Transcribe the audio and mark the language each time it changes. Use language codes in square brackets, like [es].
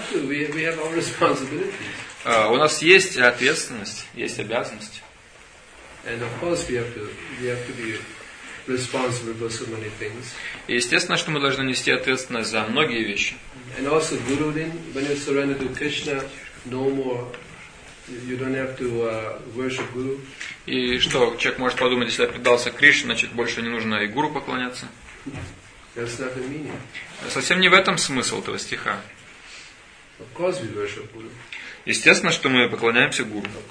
[ru] У нас есть ответственность, есть обязанности. [en] And of course we have to be responsible for so many things. [ru] И естественно, что мы должны нести ответственность за многие вещи. [en] And also, Gurudin, when you surrender to Krishna, no more, you don't have to worship Guru. [ru] И что человек может подумать, если я предался Кришне, значит больше не нужно и Гуру поклоняться? [en] That's not the meaning. [ru] Совсем не в этом смысл этого стиха. [en] Of course, we worship Guru. [ru] Естественно, что мы поклоняемся Гуру.